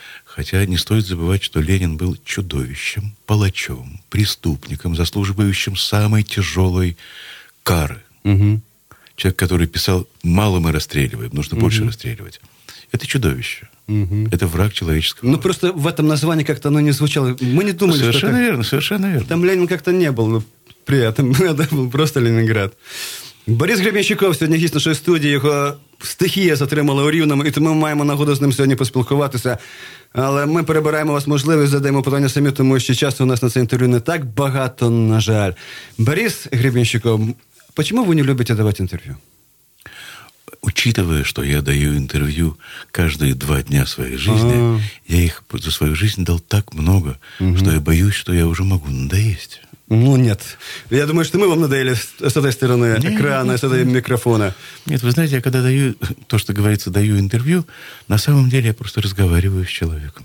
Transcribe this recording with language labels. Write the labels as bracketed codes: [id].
[ru] Хотя не стоит забывать, что Ленин был чудовищем, палачом, преступником, заслуживающим самой тяжелой кары. Угу. Человек, который писал «мало мы расстреливаем, нужно больше расстреливать». Это чудовище. Угу. Это враг человеческого. Ну, просто в этом названии как-то оно не звучало. Мы не думали, совершенно верно, совершенно верно. Там Ленин как-то не был при этом. Это был просто Ленинград. [uk] Борис Гребенщиков сьогодні гість нашої студії. Його стихія затримала у Рівному, і тому ми маємо нагоду з ним сьогодні поспілкуватися. Але ми перебираємо у вас можливість, задаємо питання самі, тому що часу у нас на це інтерв'ю не так багато, на жаль. Борис Гребенщиков, чому ви не любите давати інтерв'ю? [ru] Учитывая, что я даю интервью каждые 2 дня своей жизни, я их за свою жизнь дал так много, что я боюсь, что я уже могу надоесть. Ну, нет. Я думаю, что мы вам надоели с этой стороны экрана, с этой микрофона. Нет, вы знаете, я когда даю то, что говорится, даю интервью, на самом деле я просто разговариваю с человеком.